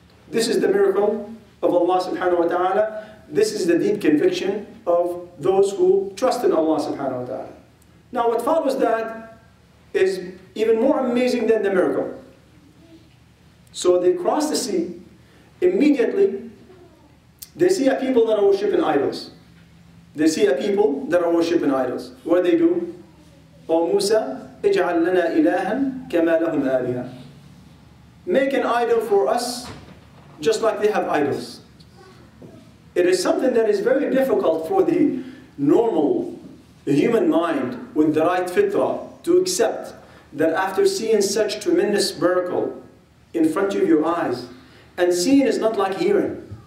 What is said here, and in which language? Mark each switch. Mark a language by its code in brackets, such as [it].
[en] This is the miracle of Allah subhanahu wa ta'ala. This is the deep conviction of those who trust in Allah subhanahu wa ta'ala. Now what follows that is even more amazing than the miracle. So they cross the sea, immediately they see a people that are worshipping idols. They see a people that are worshipping idols. What do they do? O Musa, [ar] اجعل لنا إلها كما لهم آلهة. [en] Make an idol for us just like they have idols. It is something that is very difficult for the normal human mind with the right fitrah to accept, that after seeing such tremendous miracle in front of your eyes, and seeing is not like hearing.